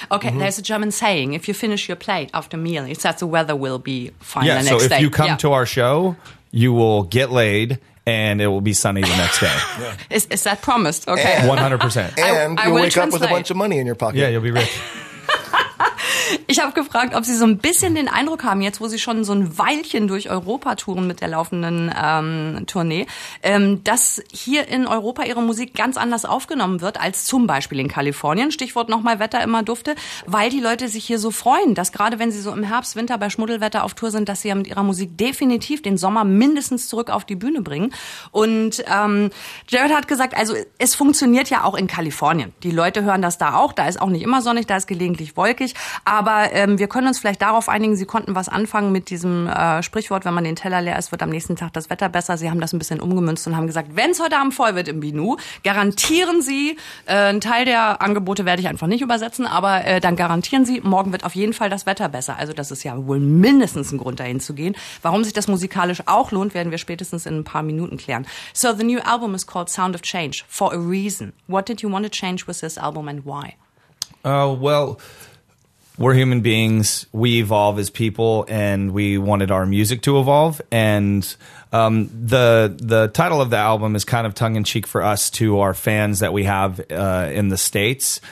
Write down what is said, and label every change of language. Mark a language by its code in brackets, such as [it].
[en] Okay, mm-hmm. There's a German saying, if you finish your plate after meal, it's that the weather will be fine yeah, the next so day. Yeah, so if you come to our show, you will get laid and it will be sunny the next day. Yeah. Is that promised? Okay. And 100%. And you'll wake up with a bunch of money in your pocket. Yeah, you'll be rich. [de] Ich habe gefragt, ob Sie so ein bisschen den Eindruck haben, jetzt wo Sie schon so ein Weilchen durch Europa touren mit der laufenden Tournee, dass hier in Europa Ihre Musik ganz anders aufgenommen wird als zum Beispiel in Kalifornien. Stichwort nochmal Wetter immer dufte, weil die Leute sich hier so freuen, dass gerade wenn Sie so im Herbst, Winter bei Schmuddelwetter auf Tour sind, dass Sie ja mit Ihrer Musik definitiv den Sommer mindestens zurück auf die Bühne bringen. Und Jared hat gesagt, also es funktioniert ja auch in Kalifornien. Die Leute hören das da auch. Da ist auch nicht immer sonnig, da ist gelegentlich wolkig. Aber wir können uns vielleicht darauf einigen, Sie konnten was anfangen mit diesem Sprichwort, wenn man den Teller leer ist, wird am nächsten Tag das Wetter besser. Sie haben das ein bisschen umgemünzt und haben gesagt, wenn es heute Abend voll wird im Binu, garantieren Sie, ein Teil der Angebote werde ich einfach nicht übersetzen, aber dann garantieren Sie, morgen wird auf jeden Fall das Wetter besser. Also das ist ja wohl mindestens ein Grund, dahin zu gehen. Warum sich das musikalisch auch lohnt, werden wir spätestens in ein paar Minuten klären. [en] So the new album is called Sound of Change, for a reason. What did you want to change with this album and why? We're human beings. We evolve as people, and we wanted our music to evolve. And the title of the album is kind of tongue-in-cheek for us to our fans that we have in the States.